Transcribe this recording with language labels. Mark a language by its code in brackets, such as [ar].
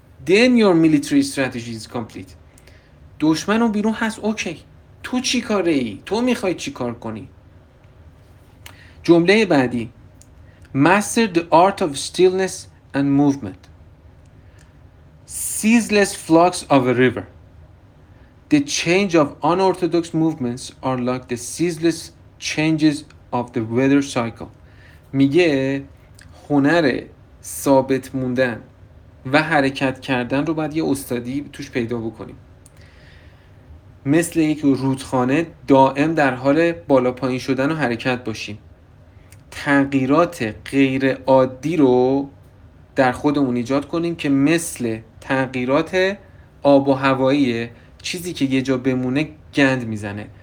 [en] then your military strategy is complete. [fa] دشمن اون بیرون هست، اوکی، تو چی کاره ای؟ تو میخوای چی کار کنی؟ جمله بعدی، [en] master the art of stillness and movement. ceaseless flux of a river. the change of unorthodox movements are like the ceaseless changes of the weather cycle. [fa] میگه هنر ثابت موندن و حرکت کردن رو باید یه استادی توش پیدا بکنیم. مثل یک رودخانه دائم در حال بالا پایین شدن و حرکت باشیم. تغییرات غیر عادی رو در خودمون ایجاد کنیم که مثل تغییرات آب و هوایی، چیزی که یه جا بمونه گند میزنه.